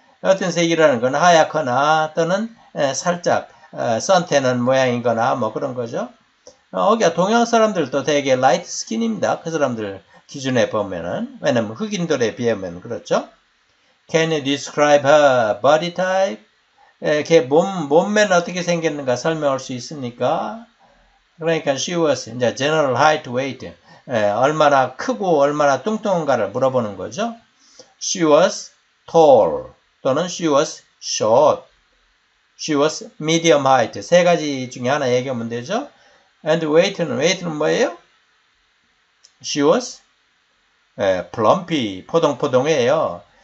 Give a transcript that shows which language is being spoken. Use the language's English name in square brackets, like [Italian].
[Korean] 옅은 색이라는 건 하얗거나 또는 살짝 선태는 모양이거나 뭐 그런 거죠. 여기 동양 사람들도 되게 light skin입니다. 그 사람들 기준에 보면은. 왜냐면 흑인들에 비하면 그렇죠. [English] Can you describe her body type? [Korean] 걔 몸매는 어떻게 생겼는가 설명할 수 있습니까? [English] 그러니까 she was in the general height weight. [Korean] 얼마나 크고 얼마나 뚱뚱한가를 물어보는 거죠. [English] She was tall 또는 she was short. She was medium height. [Korean] 세 가지 중에 하나 얘기하면 되죠. [English] And weight는 뭐예요? She was plumpy, [Korean] 포동포동해요.